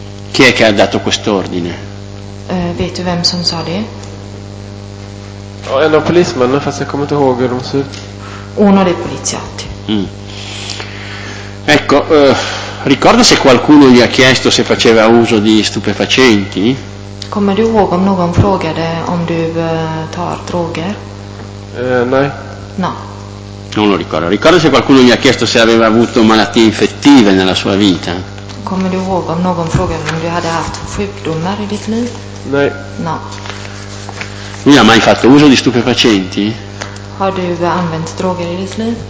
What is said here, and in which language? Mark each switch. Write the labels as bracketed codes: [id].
[it] Chi è che ha dato quest'ordine? [sv] Vet du vem som sa det? Ja, en av polismännen, fast jag kommer inte ihåg hur de ser ut. [it] Uno dei poliziotti. Ecco, ricorda se qualcuno gli ha chiesto se faceva uso di stupefacenti? [sv] Kommer du ihåg om någon frågade om du tar droger? Nej. [it] No. Non lo ricordo. Ricorda se qualcuno gli ha chiesto se aveva avuto malattie infettive nella sua vita? [sv] Kommer du ihåg om någon frågade om du hade haft sjukdomar i ditt liv? Nej. [it] No. Lui ha mai fatto uso di stupefacenti? [sv] Har du använt droger i ditt liv?